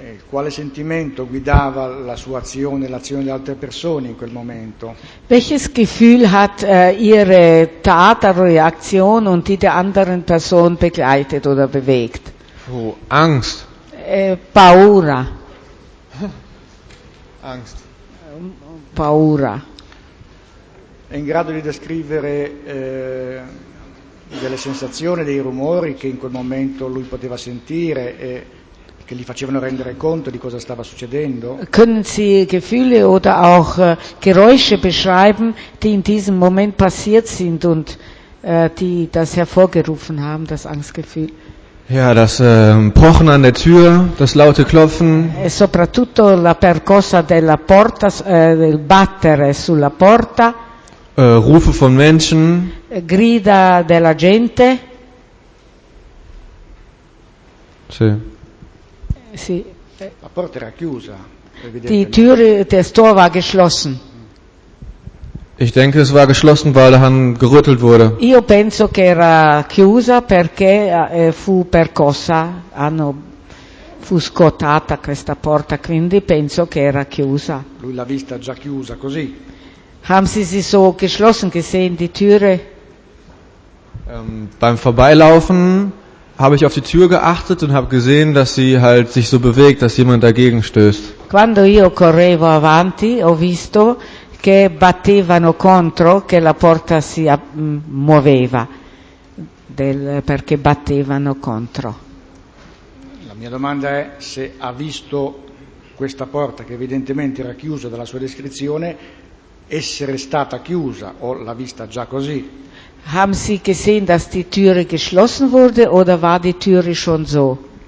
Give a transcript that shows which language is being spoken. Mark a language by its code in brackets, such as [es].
[it] Quale sentimento guidava la sua azione, l'azione di altre persone in quel momento? [de] Welches Gefühl hat ihre Tat, Reaktion und die der anderen Person begleitet oder bewegt? Oh, Angst. [it] Paura. [de] Angst. [it] Paura. È in grado di descrivere delle sensazioni, dei rumori che in quel momento lui poteva sentire e che gli facevano rendere conto di cosa stava succedendo? [de] Können Sie Gefühle oder auch Geräusche beschreiben, die in diesem Moment passiert sind und die das hervorgerufen haben, das Angstgefühl? Ja, das Pochen an der Tür, das laute Klopfen. [it] E soprattutto la percossa della porta, del battere sulla porta. [de] Rufe von Menschen. [it] Grida della gente. Sì. Sì. La porta era chiusa. [de] Die Tür, das Tor war geschlossen. Ich denke, es war geschlossen, weil daran gerüttelt wurde. [it] Io penso che era chiusa perché fu percossa, fu scottata questa porta, quindi penso che era chiusa. Lui l'ha vista già chiusa così. [de] Haben Sie sie so geschlossen gesehen, die Türe? Beim Vorbeilaufen habe ich auf die Tür geachtet und habe gesehen, dass sie halt sich so bewegt, dass jemand dagegen stößt. [it] Quando io correvo avanti, ho visto che battevano contro, che la porta si muoveva, perché battevano contro. La mia domanda è se ha visto questa porta, che evidentemente era chiusa dalla sua descrizione, essere stata chiusa o l'ha vista già così. [de] Haben Sie gesehen, dass die Türe geschlossen wurde oder war die Türe schon so?